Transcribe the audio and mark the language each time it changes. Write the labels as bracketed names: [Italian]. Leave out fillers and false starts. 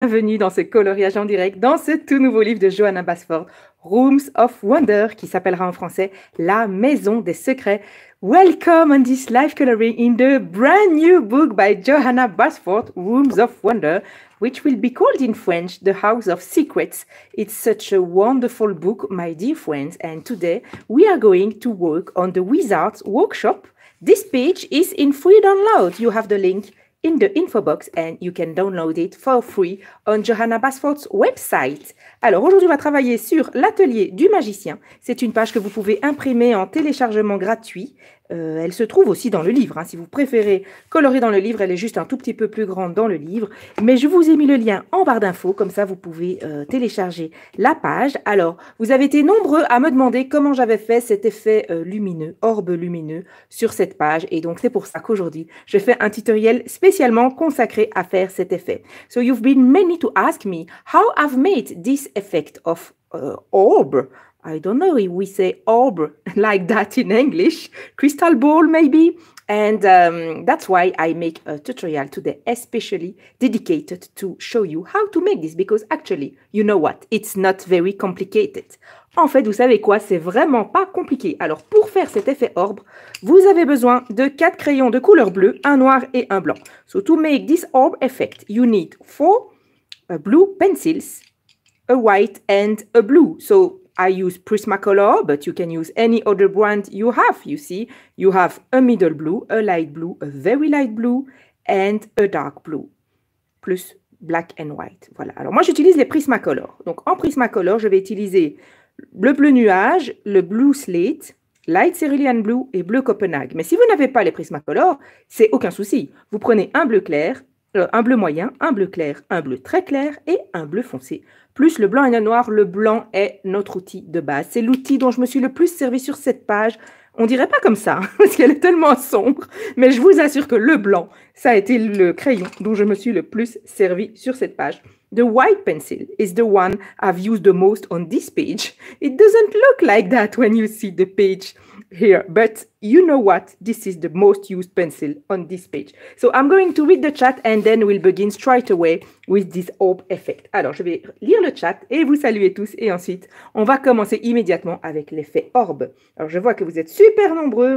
[French] Bienvenue dans ce coloriage en direct, dans ce tout nouveau livre de Joanna Basford, Rooms of Wonder, qui s'appellera en français La Maison des Secrets. [English] Welcome on this live coloring in the brand new book by Joanna Basford, Rooms of Wonder, which will be called in French The House of Secrets. It's such a wonderful book, my dear friends, and today we are going to work on the Wizards Workshop. This page is in free download. You have the link in the info box and you can download it for free on Joanna Basford's website. [French] Alors aujourd'hui, on va travailler sur l'atelier du magicien. C'est une page que vous pouvez imprimer en téléchargement gratuit. Elle se trouve aussi dans le livre. Si vous préférez colorier dans le livre, elle est juste un tout petit peu plus grande dans le livre. Mais je vous ai mis le lien en barre d'infos, comme ça vous pouvez télécharger la page. Alors, vous avez été nombreux à me demander comment j'avais fait cet effet lumineux, orbe lumineux sur cette page. Et donc, c'est pour ça qu'aujourd'hui, je fais un tutoriel spécialement consacré à faire cet effet. [English] So you've been many to ask me how I've made this effect of orb. I don't know if we say orb like that in English, crystal ball maybe, and that's why I make a tutorial today, especially dedicated to show you how to make this, because actually, you know what, it's not very complicated. [French] En fait, vous savez quoi, c'est vraiment pas compliqué. Alors, pour faire cet effet orb, vous avez besoin de 4 crayons de couleur bleue, un noir et un blanc. [English] So, to make this orb effect, you need 4 blue pencils, a white and a blue. So, I use Prismacolor, but you can use any other brand you have. You see, you have a middle blue, a light blue, a very light blue, and a dark blue, plus black and white. [French] Voilà. Alors, moi, j'utilise les Prismacolor. Donc, en Prismacolor, je vais utiliser le bleu nuage, le blue slate, light cerulean blue et bleu Copenhague. Mais si vous n'avez pas les Prismacolor, c'est aucun souci. Vous prenez un bleu clair, un bleu moyen, un bleu clair, un bleu très clair et un bleu foncé. Plus le blanc et le noir, le blanc est notre outil de base. C'est l'outil dont je me suis le plus servi sur cette page. On dirait pas comme ça, parce qu'elle est tellement sombre. Mais je vous assure que le blanc, ça a été le crayon dont je me suis le plus servi sur cette page. [English] The white pencil is the one I've used the most on this page. It doesn't look like that when you see the page here. But you know what? This is the most used pencil on this page. So I'm going to read the chat and then we'll begin straight away with this orb effect. [French] Alors, je vais lire le chat et vous saluer tous. Et ensuite, on va commencer immédiatement avec l'effet orb. Alors, je vois que vous êtes super nombreux.